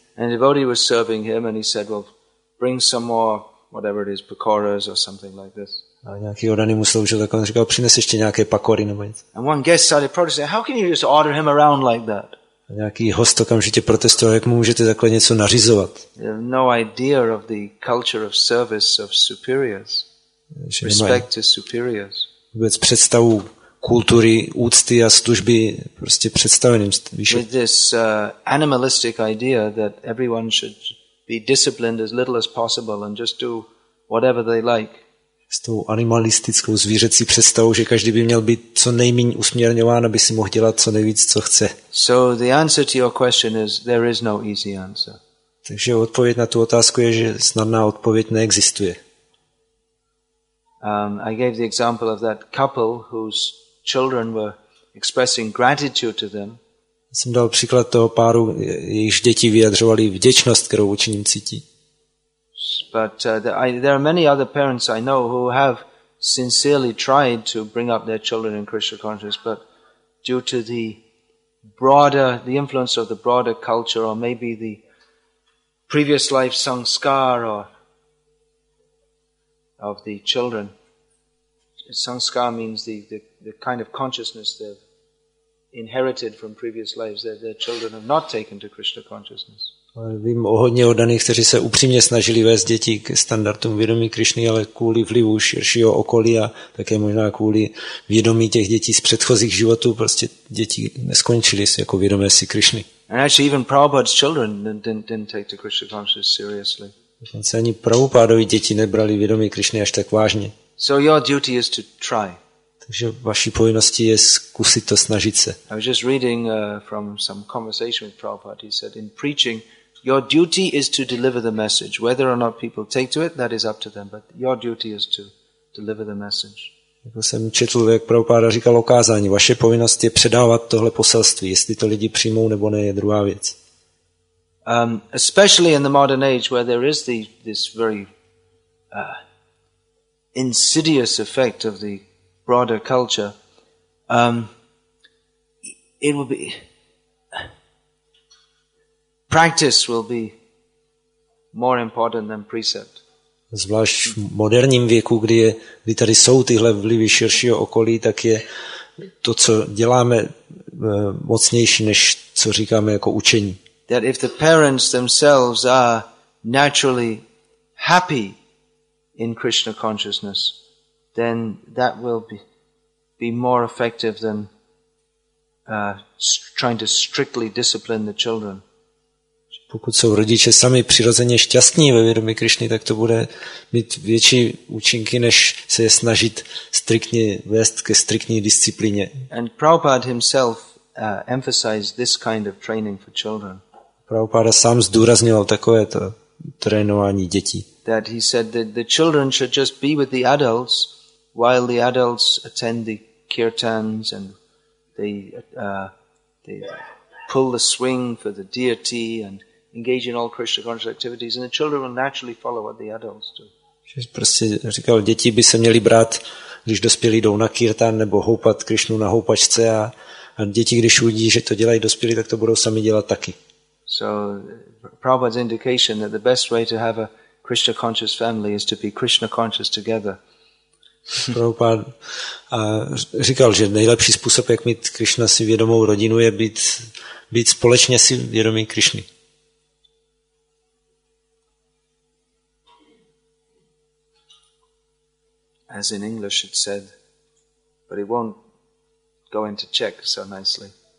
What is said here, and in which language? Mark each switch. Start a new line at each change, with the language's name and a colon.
English: And the devotee was serving him and he said, well, bring some more whatever it is, pakoras or something like this.
Czech: A nějaký oddaný mu sloužil, tak on říkal, přines ještě nějaké pakory nebo něco.
English: And one guest started protesting, how can you just order him around like that?
Czech: A nějaký host okamžitě protestoval, jak mu můžete takhle něco nařizovat.
English: They have no idea of the culture of service of superiors. Respect to superiors.
Czech: Vůbec představu kultury, úcty a služby prostě představeným.
English: With this animalistic idea that everyone should be disciplined as little as possible and just do whatever they like.
Czech: S tou animalistickou zvířecí představou, že každý by měl být co nejmíň usměrňován, aby si mohl dělat co nejvíc, co chce.
English: So the answer to your question is there is no easy answer.
Czech: Takže odpověď na tu otázku je, že snadná odpověď neexistuje.
English: I gave the example of that couple whose children were expressing gratitude to them.
Czech: Jsem dal příklad toho páru, jejichž děti vyjadřovali vděčnost, kterou vůči ním cítí.
English: But there are many other parents I know who have sincerely tried to bring up their children in Krishna consciousness, but due to the influence of the broader culture or maybe the previous life sanskar or of the children. Sanskar means the kind of consciousness they've inherited from previous lives that their children have not taken to Krishna consciousness.
Czech: Vím o hodně oddaných, kteří se upřímně snažili vést děti k standardům vědomí Krišny, ale kvůli vlivu širšího okolí a také možná kvůli vědomí těch dětí z předchozích životů, prostě děti neskončily jako vědomé si Krišny.
English: And actually even Prabhupada's children didn't take to Krishna consciousness seriously.
Czech: Dokonce ani Prabhupádovi děti nebrali vědomí Krišny až tak vážně.
English: So your duty is to try.
Czech: Takže vaší povinností je zkusit to, snažit se.
English: I was just reading from some conversation with Prabhupada. He said, in preaching, your duty is to deliver the message. Whether or not people take to it, that is up to them. But your duty is to deliver the message.
Czech: Jako jsem četl, jak Prabhupada říkal o kázání. Vaše povinnost je předávat tohle poselství. Jestli to lidi přijmou nebo ne, je druhá věc.
English: Especially in the modern age, where there is this very insidious effect of the broader culture, it will be practice will be more important than precept.
Czech: Zvlášť v moderním věku, kdy tady jsou tyhle vlivy širšího okolí, tak je to, co děláme, mocnější než co říkáme jako učení.
English: That if the parents themselves are naturally happy in Krishna consciousness, then that will be more effective than trying to strictly discipline the children.
Czech: Pokud jsou rodiče sami přirozeně šťastní ve vědomí Krišny, tak to bude mít větší účinky, než se je snažit striktně vést ke striktní disciplině.
English: And Prabhupada himself emphasized this kind of training for children.
Czech: Prabhupada sám zdůrazňoval takovéto trénování dětí.
English: That he said that the children should just be with the adults while the adults attend the kirtans and they pull the swing for the deity and engage in all Krishna conscious activities, and the children will naturally follow what the adults do.
Czech: Že prostě říkal, děti by se měly brát, když dospělí jdou na kirtan nebo houpat Krišnu na houpačce, a děti, když uvidí, že to dělají dospělí, tak to budou sami dělat taky.
English: So Prabhupada's indication that the best way to have a Krishna conscious family is to be Krishna conscious together.
Czech: Prabhupada říkal, že nejlepší způsob, jak mít Krišna si vědomou rodinu, je být společně si vědomí Krišny.
English: As in English it said, but it won't go into Czech so nicely.